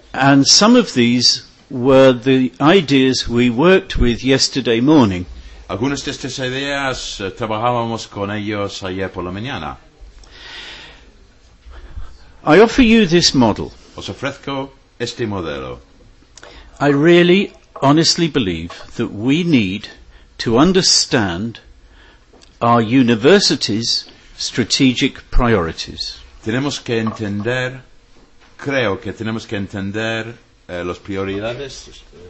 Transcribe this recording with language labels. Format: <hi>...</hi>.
<en>and some of these were the ideas we worked with yesterday morning.</en> <es>Algunas de estas ideas trabajábamos con ellos ayer por la mañana.</es> <en>I offer you this model.</en> <es>Os ofrezco este modelo.</es> <en>I really, honestly believe that we need to understand our university's strategic priorities.</en> <es>Tenemos que entender, creo que tenemos que entender las prioridades.</es>